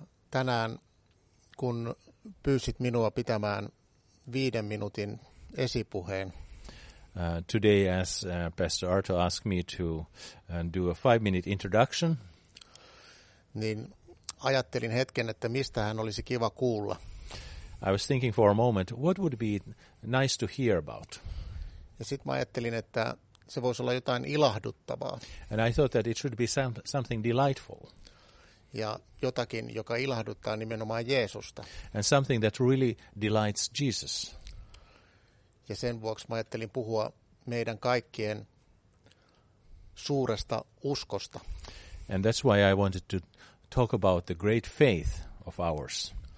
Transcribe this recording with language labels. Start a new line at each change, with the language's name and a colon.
Finnish: Tänään, kun pyysit minua pitämään 5 minuutin esipuheen.
English: Today, as Pastor Arto asked me to do a 5-minute introduction,
Finnish: niin ajattelin hetken, että mistä hän olisi kiva kuulla.
English: I was thinking for a moment, what would be nice to hear about?
Finnish: Ja sitten ajattelin, että se voisi olla jotain ilahduttavaa.
English: And I thought that it should be something delightful.
Finnish: Ja jotakin, joka ilahduttaa nimenomaan Jeesusta.
English: And something that really delights Jesus.
Finnish: Ja sen vuoksi ajattelin puhua meidän kaikkien suuresta uskosta.
English: And that's why I wanted to talk about the great faith of ours.